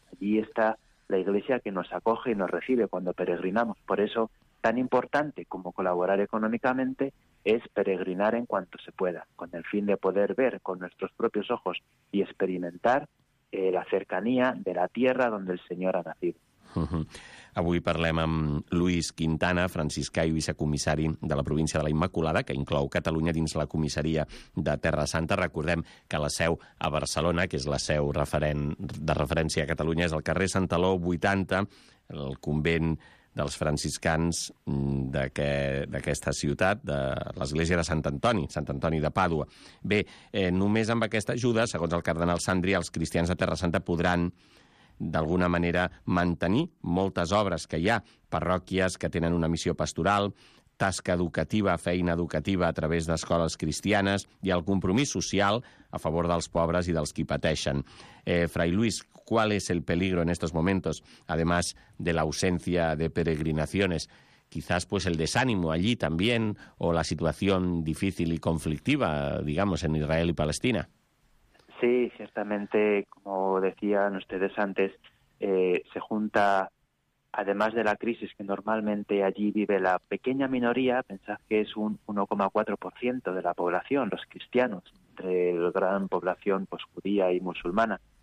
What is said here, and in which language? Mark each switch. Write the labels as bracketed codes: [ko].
[es] Allí está la iglesia que nos acoge y nos recibe cuando peregrinamos. Por eso, tan importante como colaborar económicamente es peregrinar en cuanto se pueda, con el fin de poder ver con nuestros propios ojos y experimentar la cercanía de la tierra donde el Señor ha nacido. [ca] Avui parlem amb Luis Quintana, franciscà i vicecomissari de la província de la Immaculada, que inclou Catalunya dins la comissaria de Terra Santa. Recordem que la seu a Barcelona, que és la seu referent de referència a Catalunya, és el carrer Santaló 80, el convent dels franciscans d'aquesta ciutat, de l'església de Sant Antoni de Pàdua. Bé, només amb aquesta ajuda, segons el cardenal Sandri, els cristians de Terra Santa podran d'alguna manera mantenir moltes obres que hi ha, parròquies que tenen una missió pastoral, tasca educativa, feina educativa a través d'escoles cristianes i el compromís social a favor dels pobres i dels qui pateixen. [es] Fray Luis, ¿cuál es el peligro en estos momentos, además de la ausencia de peregrinaciones? quizás pues el desánimo allí también, o la situación difícil y conflictiva, digamos, en Israel y Palestina. Sí, ciertamente, como decían ustedes antes, se junta, además de la crisis que normalmente allí vive la pequeña minoría, pensad que es un 1,4% de la población, los cristianos, entre la gran población pues judía y musulmana,